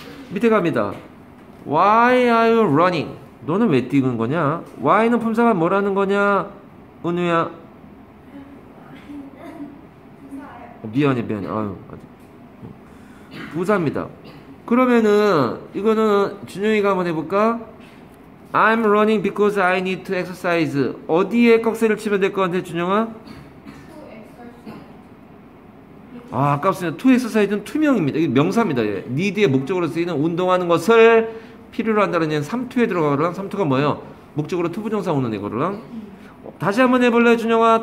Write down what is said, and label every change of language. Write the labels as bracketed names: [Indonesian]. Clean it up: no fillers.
[Korean] 밑에 갑니다. [English] Why are you running? [Korean] 너는 왜 뛰는 거냐? Why는 품사가 뭐라는 거냐? 은우야. 미안해, 미안해. 아유, 아직. 부사입니다. 그러면은, 이거는 준영이가 한번 해볼까? [English] I'm running because I need to exercise. [Korean] 어디에 꺽쇠를 치면 될 것 같아, 준영아? [English] To exercise. [Korean] 아, 아깝습니다. To exercise는 투명입니다. 이게 명사입니다. 예. need의 목적으로 쓰이는 운동하는 것을 필요로 한다는 얘는 삼투에 들어가거든. 삼투가 뭐예요? 목적으로 to 부정사 오는 이거랑. 다시 한번 해볼래, 준영아?